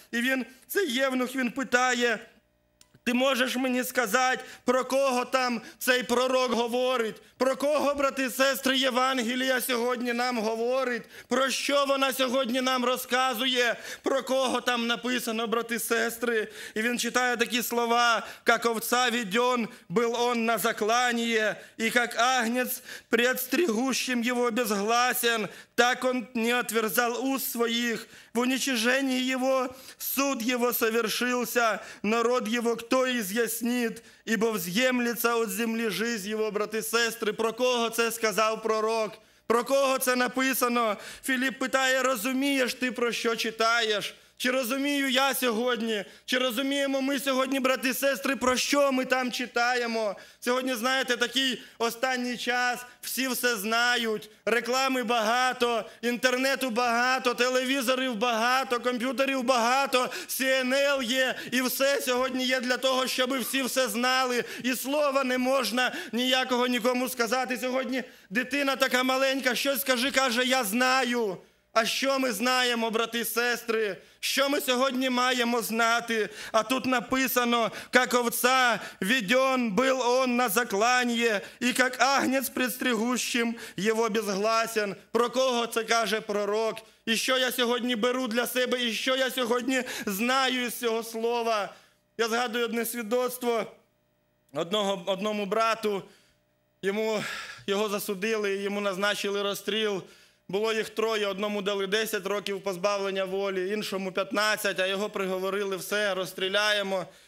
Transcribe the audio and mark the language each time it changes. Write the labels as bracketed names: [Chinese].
[Ukrainian] І він, цей євнух, він питає: «Ти можеш мені сказати, про кого там цей пророк говорить? Про кого, брати і сестри, Євангелія сьогодні нам говорить? Про що вона сьогодні нам розказує? Про кого там написано, брати і сестри?» І він читає такі слова: [Russian] «Как овца ведён был он на заклание, и как агнец пред стригущим его безгласен, так он не отверзал уст своих. В уничижении его суд его совершился, народ его кто изъяснит, ибо взъемлится от земли жизнь его». [Ukrainian] Брати і сестри, про кого це сказав пророк? Про кого це написано? Філіп питає: «Розумієш ти, про що читаєш? Чи розумію я сьогодні? Чи розуміємо ми сьогодні, брати і сестри, про що ми там читаємо?» Сьогодні, знаєте, такий останній час, всі все знають, реклами багато, інтернету багато, телевізорів багато, комп'ютерів багато, CNN є, і все сьогодні є для того, щоб всі все знали. І слова не можна ніякого нікому сказати. Сьогодні дитина така маленька, щось скажи, каже: «Я знаю». А що ми знаємо, брати і сестри? Що ми сьогодні маємо знати? А тут написано, як [Russian] овца ведён был он на закланье, і як агнец предстригущим його безгласен. [Ukrainian] Про кого це каже пророк? І що я сьогодні беру для себе? І що я сьогодні знаю з цього слова? Я згадую одне свідоцтво одному брату. Його засудили, йому назначили розстріл. Було їх троє, одному дали 10 років позбавлення волі, іншому 15, а його приговорили, все, розстріляємо.